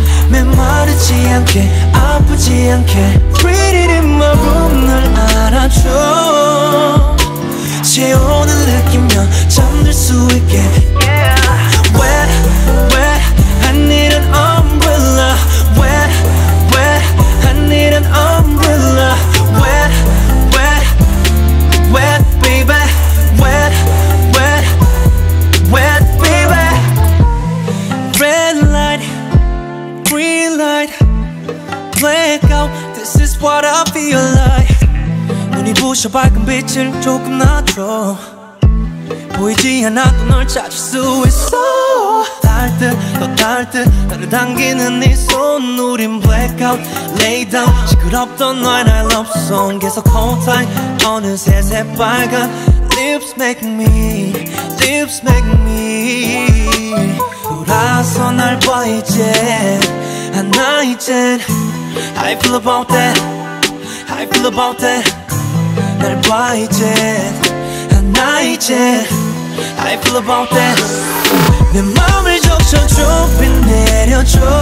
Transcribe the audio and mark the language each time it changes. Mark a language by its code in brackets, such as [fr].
[ko] 메마르지 않게 아프지 않게 [en] Pretty in my room [ko] 널 알아줘. 체온을 느끼면 잠들 수 있게. Yeah. [en] Wet, wet, I need an umbrella. Wet, wet, I need an umbrella. Wet, wet, wet, baby. Wet, wet, wet, baby. Red light, green light, blackout. This is what I feel like. [ko] 눈이 부셔 밝은 빛을 조금 낮춰. 보이지 않아도 널 찾을 수 있어. 달 듯 더 달 듯 나를 당기는 네 손. [en] 우린 blackout, lay down. [ko] 시끄럽던 너의 날 [en] love song [ko] 계속 [en] hold tight. [ko] 어느새 새빨간 [en] lips make me, lips make me. [ko] 돌아서 날 봐 이제 하나 이젠. [en] How you feel about that? How you feel about that? [ko] 날 봐 이젠 하나 이젠. [en] How you feel about that? [ko] 내 맘을 적셔줘 비 내려줘.